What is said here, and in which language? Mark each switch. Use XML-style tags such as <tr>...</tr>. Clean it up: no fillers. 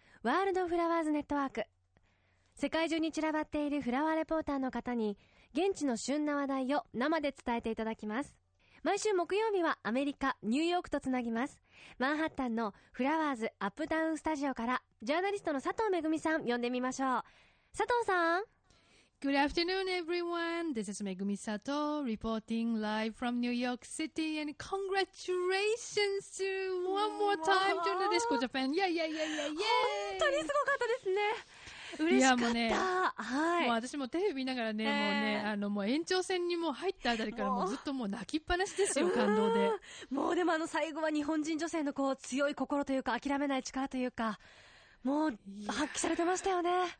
<ja>ワールドフラワーズネットワーク。世界中に散らばっているフラワーレポーターの方に現地の旬な話題を生で伝えていただきます。毎週木曜日はアメリカ、ニューヨークとつなぎます。マンハッタンのフラワーズアップタウンスタジオからジャーナリストの佐藤めぐみさん呼んでみましょう。佐藤さん。</ja> <en>Good afternoon everyone. This is めぐみ佐藤 reporting live from New York City and congratulations to one more time to Nadesco Japan. Yeah, yeah, yeah, yeah, yeah.</en> <ja>本当にすごかったですね。嬉しかった。いやもうね、はい、もう私もテレビ見ながらね、もうね、もう延長戦にもう入ったあたりからもうずっともう泣きっぱなしですよ、感動で。もうでも最後は日本人女性のこう強い心というか諦めない力というか、もう発揮されてましたよね。</ja>